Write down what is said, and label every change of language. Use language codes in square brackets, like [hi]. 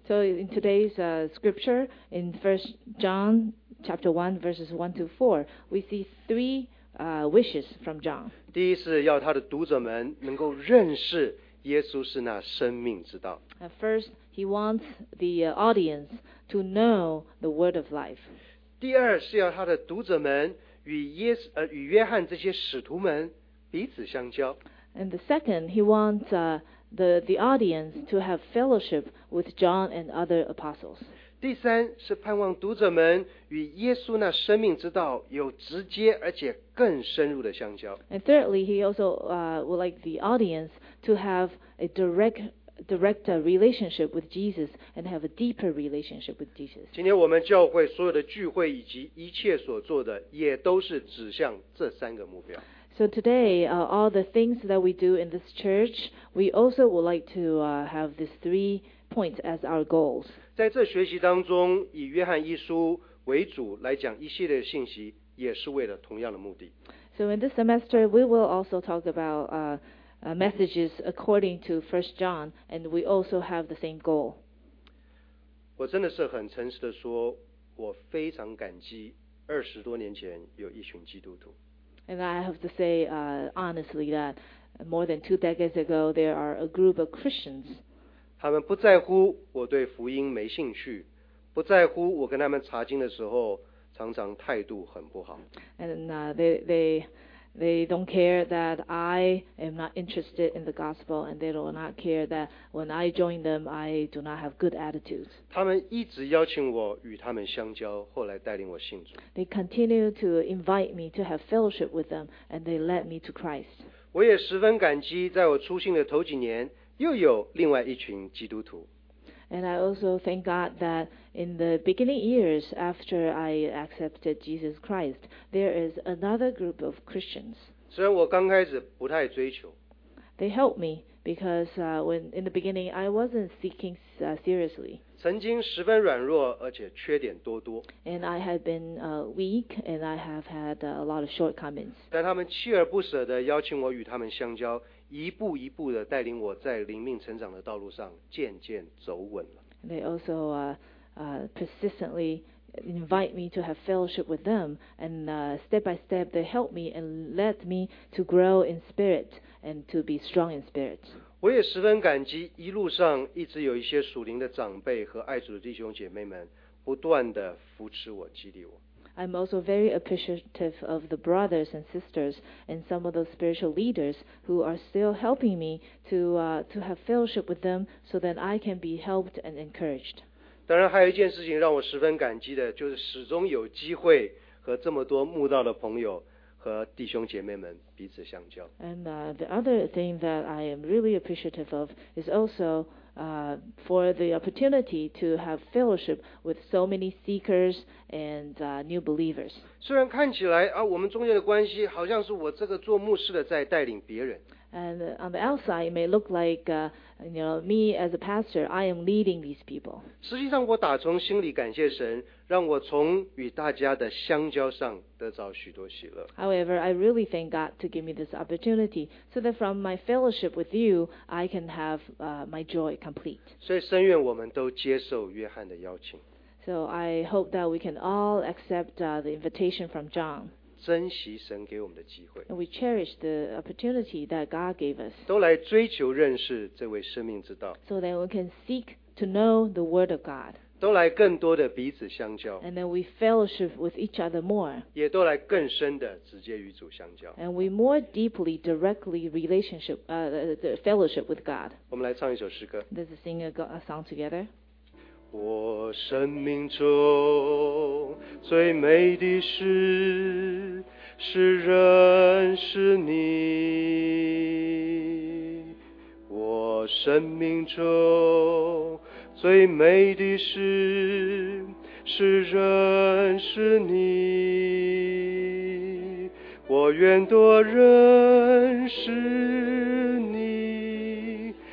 [en] So in today's scripture, in 1 John chapter 1 verses 1 to 4, we see three wishes from John. [zh] 第一是要他的读者们能够认识耶稣是那生命之道。 [en] First, he wants the audience to know the word of life. [zh] 第二是要他的读者们与约翰这些使徒们彼此相交。 [en] And the second, he wants the audience to have fellowship with John and other apostles. [zh] 第三是盼望读者们与耶稣那生命之道有直接而且更深入的相交。 [en] And thirdly, he also would like the audience to have a direct relationship with Jesus and have a deeper relationship with Jesus. [zh] 今天我们教会所有的聚会以及一切所做的也都是指向这三个目标。 [en] So today, all the things that we do in this church, we also would like to have these three points as our goals. [zh] 在这学习当中，以约翰一书为主来讲一系列的信息，也是为了同样的目的。 [en] So in this semester, we will also talk about messages according to 1 John, and we also have the same goal. [zh] 我真的是很诚实的说，我非常感激二十多年前有一群基督徒。 [en] And I have to say honestly that more than two decades ago, there are a group of Christians. [zh] 他们不在乎我对福音没兴趣，不在乎我跟他们查经的时候常常态度很不好。 [en] And they They don't care that I am not interested in the gospel, and they do not care that when I join them, I do not have good attitudes. [zh] 他们一直邀请我与他们相交，后来带领我信主。 [en] They continue to invite me to have fellowship with them, and they led me to Christ. [zh] 我也十分感激，在我出信的头几年，又有另外一群基督徒。 [en] And I also thank God that in the beginning years after I accepted Jesus Christ, there is another group of Christians. [zh] 虽然我刚开始不太追求。 [en] They helped me because in the beginning I wasn't seeking seriously. [zh] 曾经十分软弱，而且缺点多多。 [en] And I had been weak and I have had a lot of shortcomings. [zh] 但他们锲而不舍地邀请我与他们相交。一步一步的带领我在灵命成长的道路上渐渐走稳了。 [en] They also persistently invite me to have fellowship with them, and step by step they help me and led me to grow in spirit and to be strong in spirit. [zh] 我也十分感激一路上一直有一些属灵的长辈和爱主的弟兄姐妹们不断的扶持我、激励我。 [en] I'm also very appreciative of the brothers and sisters and some of the spiritual leaders who are still helping me to have fellowship with them so that I can be helped and encouraged. [zh] 当然还有一件事情让我十分感激的，就是始终有机会和这么多慕道的朋友和弟兄姐妹们彼此相交。 [en] And the other thing that I am really appreciative of is also for the opportunity to have fellowship with so many seekers and new believers. [zh] 虽然看起来啊，我们中间的关系好像是我这个做牧师的在带领别人。 [en] And on the outside, it may look like me as a pastor, I am leading these people. [zh] 实际上，我打从心里感谢神，让我从与大家的相交上得到许多喜乐。 [en] However, I really thank God to give me this opportunity, so that from my fellowship with you, I can have my joy complete. [zh] 所以，深愿我们都接受约翰的邀请。 [en] So I hope that we can all accept the invitation from John. [zh] 珍惜神给我们的机会。 [en] We cherish the opportunity that God gave us. [zh] 都来追求认识这位生命之道。 [en] So that we can seek to know the word of God. [zh] 都来更多的彼此相交。 [en] And then we fellowship with each other more. [zh] 也都来更深的直接与主相交。 [en] And we more deeply directly relationship, the fellowship with God. [zh] 我们来唱一首诗歌。 [en] Let's sing a song together. [zh] 我生命中最美的事是认识你，我生命中最美的事是认识你，我愿多认识你，